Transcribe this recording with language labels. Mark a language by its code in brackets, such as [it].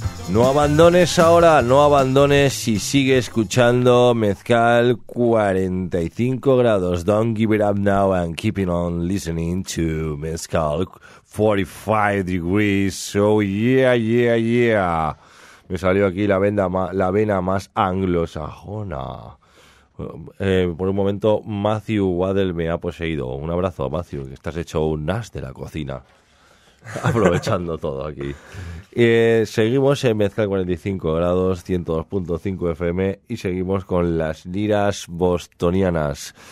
[es] No abandones ahora, no abandones si sigue escuchando Mezcal 45 grados. [en] Don't give it up now and keeping on listening to Mezcal 45 degrees. Oh yeah, yeah, yeah. [es] Me salió aquí la vena más anglosajona. Por un momento, Matthew Waddell me ha poseído. Un abrazo, Matthew, que estás hecho un as de la cocina. Aprovechando todo aquí. Seguimos en Mezcal 45 grados, 102.5 FM, y seguimos con las liras bostonianas.